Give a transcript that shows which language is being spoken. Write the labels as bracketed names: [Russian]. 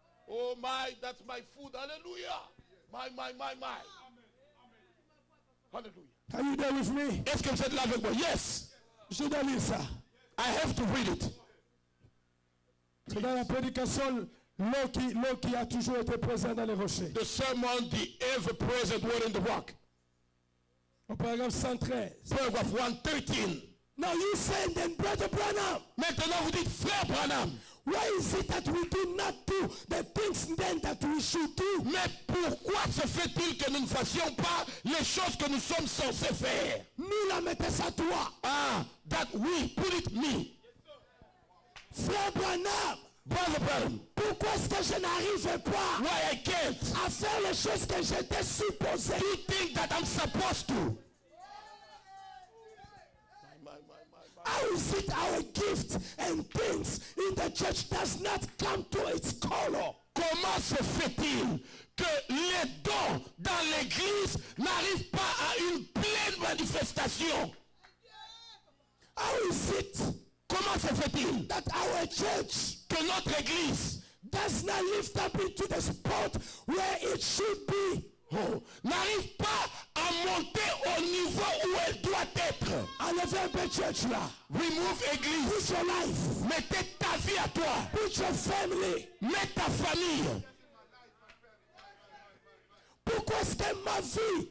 [English] Oh my, that's my food. Hallelujah. My. Hallelujah. Are you there with me? [French] Est-ce que vous êtes là avec moi? [English] Yes. [French] Je dois lire ça. [English] I have to read it. [French] C'est dans la prédication l'eau qui a toujours été présente dans les rochers. [English] The sermon, the ever present word in the rock. [French] Au paragraphe 113. [English] Paragraph 113. Now you say then, Brother Branham. [French] Maintenant vous dites, Frère Branham. [English] Why is it that we do not do the things then that we should do? [French] Mais pourquoi se fait-il que nous ne fassions pas les choses que nous sommes censés faire? Nous la mettons à toi. [English] Ah, that we put it me. [French] Frère Branham, [English] Brother Branham, [French] pourquoi est-ce que je n'arrive pas? [English] Why I can't? [French] À faire les choses que j'étais supposé. [English] You think that I'm supposed to? How receive our gifts and things in the church does not come to its color. [French] Comment se fait-il que les dons dans l'église n'arrivent pas à une pleine manifestation? [English] How is it? [French] Comment se fait-il [English] that our church, [French] que notre église, [English] does not lift up into the spot where it should be? [French] Oh, n'arrive pas à monter au niveau où elle doit être. Enlevez un peu church là. [English] Remove église. Put your life. [French] Mettez ta vie à toi. [English] Put your family. [French] Mets ta famille. Pourquoi est-ce que ma vie,